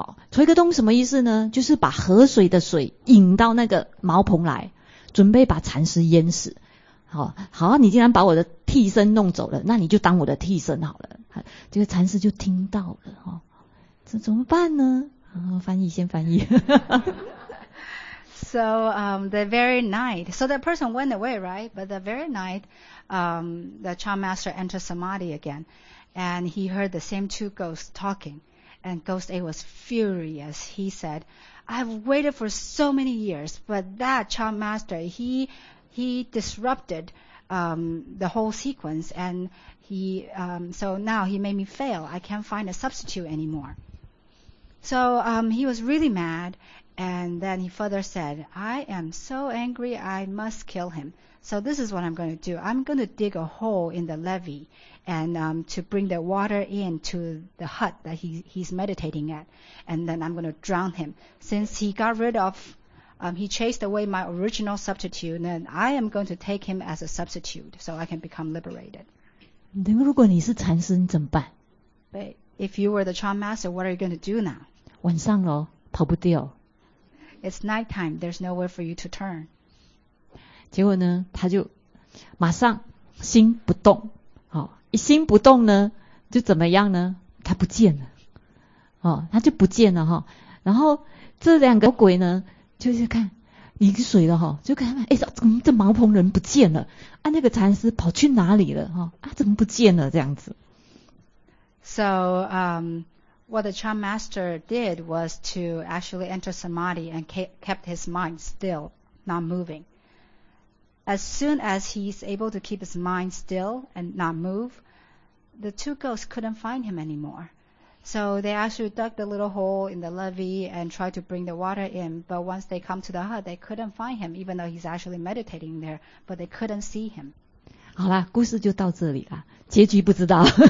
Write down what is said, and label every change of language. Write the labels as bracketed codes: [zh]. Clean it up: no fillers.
[zh] 戳一个洞什么意思呢？就是把河水的水引到那个茅棚来，准备把禅师淹死。好，你竟然把我的替身弄走了，那你就当我的替身好了。这个禅师就听到了，这怎么办呢？翻译，先翻译。 [en] So, the very night, so that person went away, right? But the very night, the Chan Master entered Samadhi again, and he heard the same two ghosts talking. And Ghost A was furious. He said, I've waited for so many years, but that Chan Master, he disrupted the whole sequence, and so now he made me fail. I can't find a substitute anymore. So he was really mad, and then he further said, I am so angry, I must kill him. So this is what I'm going to do. I'm going to dig a hole in the levee and to bring the water into the hut that he's meditating at, and then I'm going to drown him. Since he got rid of he chased away my original substitute, and then I am going to take him as a substitute so I can become liberated. [zh] 如果你是禅师，你怎么办？ [en] But if you were the Chan Master, what are you going to do now? [zh] 晚上了，跑不掉。 [en] It's nighttime, there's nowhere for you to turn. [zh] 结果呢，他就马上心不动。一心不动呢，就怎么样呢？他不见了。他就不见了。然后这两个鬼呢，就是看淋水了，就看这茅棚人不见了，那个禅师跑去哪里了，怎么不见了，这样子。 [en] So, what the Chan Master did was to actually enter Samadhi and kept his mind still, not moving. As soon as he's able to keep his mind still and not move, the two ghosts couldn't find him anymore. So they actually dug the little hole in the levee and tried to bring the water in. But once they come to the hut, they couldn't find him, even though he's actually meditating there, but they couldn't see him. [zh] 好啦，故事就到这里啦，结局不知道。